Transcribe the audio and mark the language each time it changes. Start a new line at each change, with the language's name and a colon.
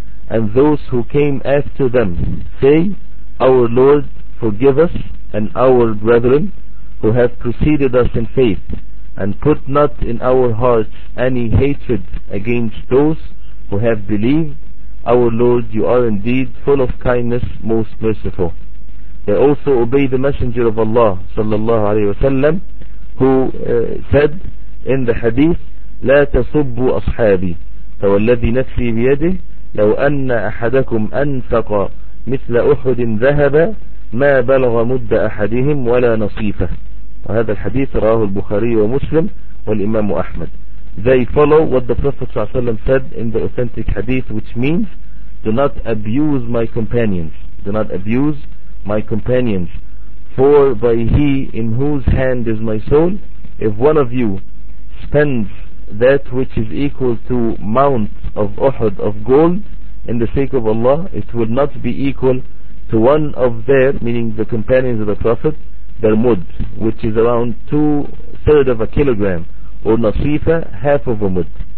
English: and those who came after them, say, Our Lord, forgive us and our brethren who have preceded us in faith, and put not in our hearts any hatred against those who have believed. Our Lord, you are indeed full of kindness, most merciful. They also obey the Messenger of Allah sallallahu alayhi wasallam, who said in the hadith,
Arabic: لا تصبوا أصحابي فوالذي نفسي بيده لو أن أحدكم أنفق مثل أحد ذهب ما بلغ مد أحدهم ولا نصيفة. وهذا الحديث رواه البخاري ومسلم والإمام أحمد.
English: They follow what the Prophet صلى الله عليه وسلم said in the authentic hadith, which means, do not abuse my companions, do not abuse my companions, for by he in whose hand is my soul, if one of you spends that which is equal to mount of Uhud of gold in the sake of Allah, it will not be equal to one of their, meaning the companions of the Prophet, their mud, which is around 2/3 of a kilogram, or nasifa, half of a mud.